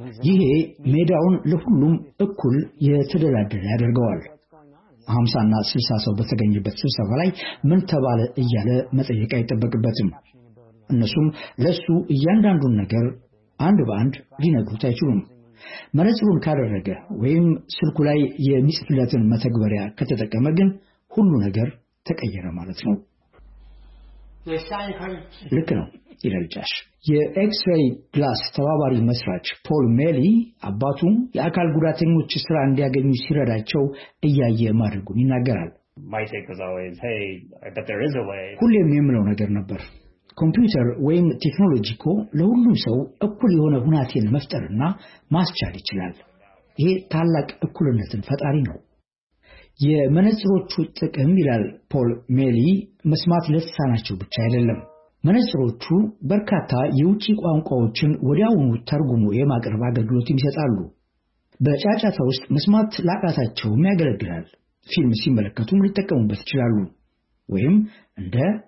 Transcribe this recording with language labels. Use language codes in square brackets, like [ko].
[am] ይሄ ሜዳውን ለሁሉም እኩል የተደላደለ ያደርገዋል። 50 እና 60 ሰው በተገኘበት ስብሰባ ላይ ምን ተባለ እያለ መጠየቅ አይጠበቅበትም። እነሱም ለሱ እያንዳንዱን ነገር አንድ በአንድ ሊነግሩት አይችሉም። መነጽሩን ካደረገ ወይም ስልኩ ላይ የሚጽፍለትን መተግበሪያ ከተጠቀመ ግን ሁሉ ነገር ተቀየረ ማለት ነው። ልክ ነው ይለልጫሽ። የኤክስሬይ ግላስ ተባባሪ መስራች ፖል ሜሊ አባቱ የአካል ጉዳተኞች ስራ እንዲያገኙ ሲረዳቸው እያየ ማድረጉን ይናገራል። [en] My take was always, hey, but there is a way. [am] ሁሌም የሚምለው ነገር ነበር ኮምፒውተር ወይም ቴክኖሎጂ እኮ ለሁሉም ሰው እኩል የሆነ ሁኔታን መፍጠርና ማስቻል ይችላል። ይሄ ታላቅ እኩልነትን ፈጣሪ ነው። የመነጽሮቹ ጥቅም ይላል ፖል ሜሊ መስማት ለተሳናቸው ብቻ አይደለም። መነጽሮቹ በርካታ የውጪ ቋንቋዎችን ወዲያውኑ ተርጉሞ የማቅረብ አገልግሎት ይሰጣሉ። በጫጫታ ውስጥ መስማት ላቃታቸው የሚያገለግላል። ፊልም ሲመለከቱም ሊጠቀሙበት ይችላሉ። ወይም እንደ